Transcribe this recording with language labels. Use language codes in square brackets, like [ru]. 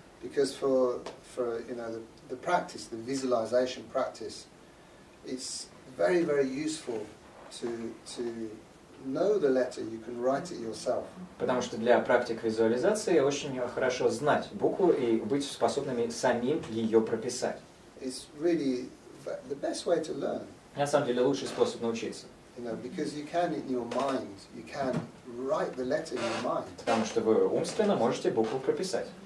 [en] Because for you know the practice, the visualization practice, it's very very useful to know the letter, you can write it yourself. [ru] Потому что для практик визуализации очень хорошо знать букву и быть способными самим ее прописать. [en] It's really the best way to learn. [ru] На самом деле лучший способ научиться. [en] You know, because you can in your mind, you can write the letter in your mind. [ru] Потому что вы умственно можете букву прописать.